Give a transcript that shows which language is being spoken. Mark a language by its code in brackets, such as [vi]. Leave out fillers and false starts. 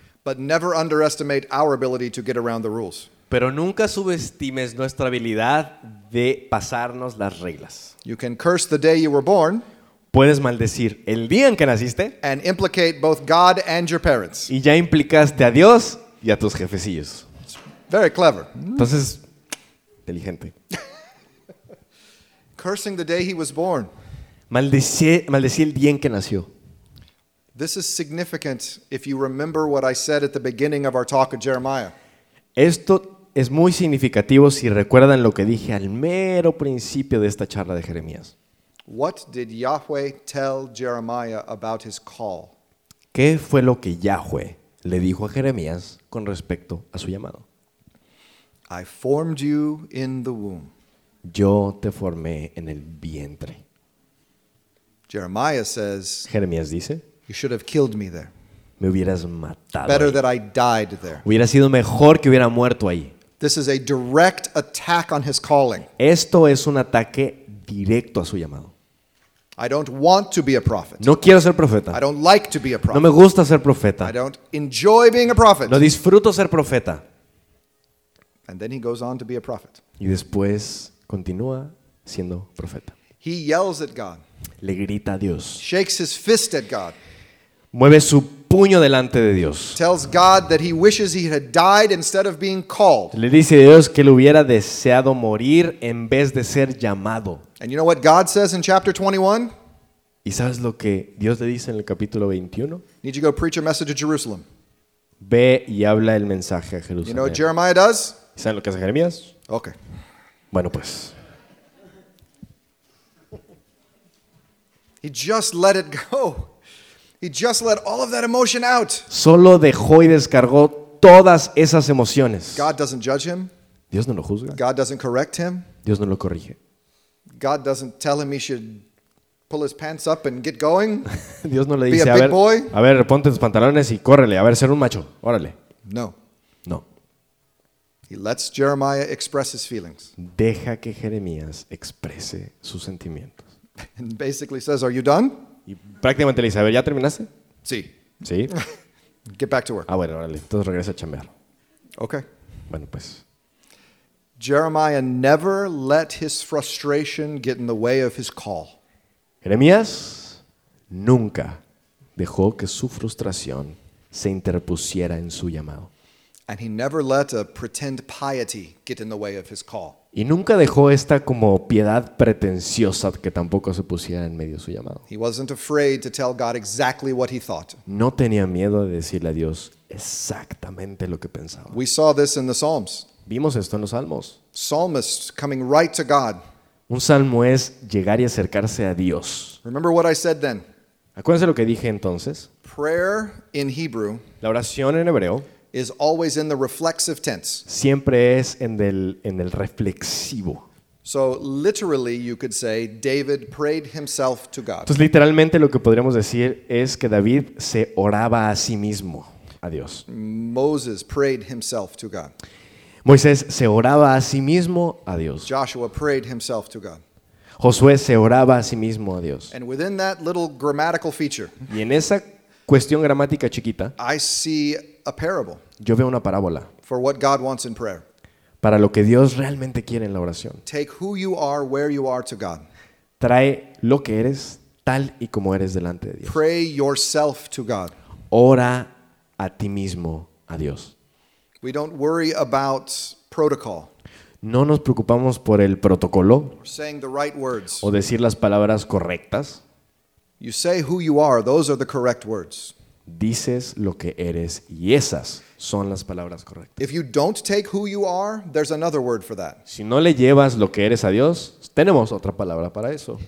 [en] But never underestimate our ability to get around the rules. [es] Pero nunca subestimes nuestra habilidad de pasarnos las reglas. [en] You can curse the day you were born. [es] Puedes maldecir el día en que naciste. [en] And implicate both God and your parents. [es] Y ya implicaste a Dios y a tus jefecillos. [en] It's very clever. [es] Entonces, inteligente. [en] Cursing the day he was born. [es] Maldecí el día en que nació. [en] This is significant if you remember what I said at the beginning of our talk of Jeremiah. [es] Esto es muy significativo si recuerdan lo que dije al mero principio de esta charla de Jeremías. [en] What did Yahweh tell Jeremiah about his call? [es] ¿Qué fue lo que Yahweh le dijo a Jeremías con respecto a su llamado? [en] I formed you in the womb. [es] Yo te formé en el vientre. [en] Jeremiah says, [es] Jeremías dice, [en] you should have killed me there. [es] Me hubieras matado. [en] Better [es] ahí. [en] That I died there. [es] Hubiera sido mejor que hubiera muerto ahí. [en] This is a direct attack on his calling. [es] Esto es un ataque directo a su llamado. [en] I don't want to be a prophet. [es] No quiero ser profeta. [en] I don't like to be a prophet. [es] No me gusta ser profeta. [en] I don't enjoy being a prophet. [es] No disfruto ser profeta. [en] And then he goes on to be a prophet. [es] Y después continúa siendo profeta. [en] He yells at God. [es] Le grita a Dios. [en] Shakes his fist at God. [es] Mueve su puño delante de Dios. [en] Tells God that he wishes he had died instead of being called. [es] Le dice a Dios que le hubiera deseado morir en vez de ser llamado. [en] And you know what God says in chapter 21? [es] ¿Y sabes lo que Dios le dice en el capítulo 21? [en] Need you go preach a message to Jerusalem. [es] Ve y habla el mensaje a Jerusalén. [en] You know what Jeremiah does? [es] ¿Y sabes lo que hace Jeremías? [en] Okay. [es] Bueno, pues. [en] He just let it go. He just let all of that emotion out. [es] Solo dejó y descargó todas esas emociones. [en] God doesn't judge him. [es] Dios no lo juzga. [en] God doesn't correct him. [es] Dios no lo corrige. [en] God doesn't tell him he should pull his pants up and get going. [es] Dios no le dice, [en] be a big boy. [es] A ver, ponte tus pantalones y córrele, a ver, ser un macho, órale. [en] No. [es] No. [en] He lets Jeremiah express his feelings. [es] Deja que Jeremías exprese sus sentimientos. [en] And basically says, "Are you done?" [es] Y prácticamente le dice, a ver, ¿ya terminaste? Sí. ¿Sí? [en] Get back to work. [es] Ah, bueno, órale. Entonces regresa a chambear. [en] Okay. [es] Bueno, pues. [en] Jeremiah never let his frustration get in the way of his call. [es] Jeremías nunca dejó que su frustración se interpusiera en su llamado. [en] And he never let a pretend piety get in the way of his call. [es] Y nunca dejó esta como piedad pretenciosa que tampoco se pusiera en medio de su llamado. [en] He wasn't afraid to tell God exactly what he thought. [es] No tenía miedo de decirle a Dios exactamente lo que pensaba. [en] We saw this in the Psalms. [es] Vimos esto en los Salmos. [en] Psalmist coming right to God. [es] Un salmo es llegar y acercarse a Dios. [en] Remember what I said then. [es] Acuérdense lo que dije entonces. [en] Prayer in Hebrew. [es] La oración en hebreo. [en] Is always in the reflexive tense. [es] Siempre es en el reflexivo. [en] So literally you could say David prayed himself to God. [es] Entonces literalmente lo que podríamos decir es que David se oraba a sí mismo a Dios. [en] Moses prayed himself to God. [es] Moisés se oraba a sí mismo a Dios. [en] Joshua prayed himself to God. [es] Josué se oraba a sí mismo a Dios. [en] And within that little grammatical feature. [es] Y en esa cuestión gramática chiquita. [en] I see a parable. [es] Yo veo una parábola. [en] For what God wants in prayer. [es] Para lo que Dios realmente quiere en la oración. [en] Take who you are, where you are to God. [es] Trae lo que eres tal y como eres delante de Dios. [en] Pray yourself to God. [es] Ora a ti mismo a Dios. [en] We don't worry about protocol. [es] No nos preocupamos por el protocolo. [en] Or saying the right words. [es] O decir las palabras correctas. [en] You say who you are. Those are the correct words. [es] Dices lo que eres y esas son las palabras correctas. [en] If you don't take who you are, there's another word for that. [es] Si no le llevas lo que eres a Dios, tenemos otra palabra para eso.